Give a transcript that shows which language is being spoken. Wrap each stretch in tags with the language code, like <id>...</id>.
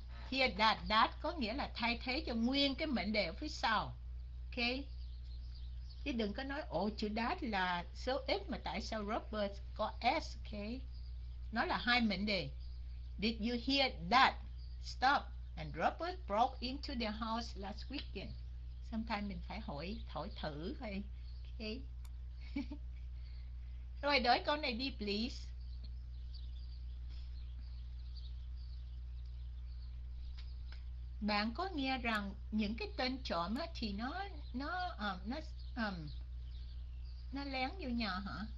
<en>Here that</en> <vi>có nghĩa là thay thế cho nguyên cái mệnh đề ở phía sau. Okay. Chứ đừng có nói ồ chữ that là số ít mà tại sao Robert có S. Okay. Nó là hai mệnh đề.</vi> <en>Did you hear that? Stop. And Robert broke into the house last weekend.</en> <vi>Sometimes mình phải hỏi, hỏi thử thôi. Okay. Rồi đổi câu này đi please. Bạn có nghe rằng những cái tên trộm thì nó lén vô nhà hả?</vi>